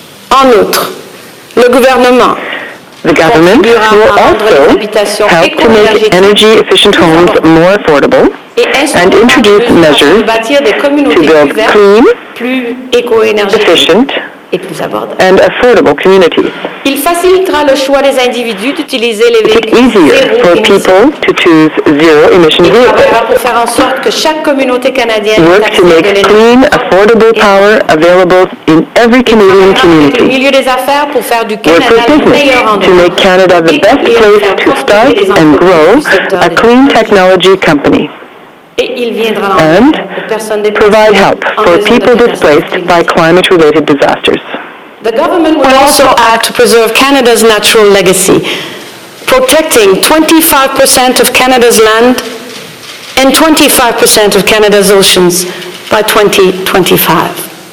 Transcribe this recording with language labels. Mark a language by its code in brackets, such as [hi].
[fr] En outre, le gouvernement [en] The government will also help to make energy-efficient homes more affordable and introduce measures to build clean, efficient, and affordable communities. [fr] Il facilitera le choix des individus d'utiliser les véhicules zéro émission. [en] It's easier for people to choose zero emission vehicles. [fr] Il travaillera pour faire en sorte que chaque communauté canadienne [en] work to make clean, affordable power available in every Canadian community. [fr] Au milieu des affaires pour faire du Canada [en] work for business to make Canada the best place to start and grow a clean technology company. And provide help for people displaced by climate-related disasters. The government will also act to preserve Canada's natural legacy, protecting 25% of Canada's land and 25% of Canada's oceans by 2025.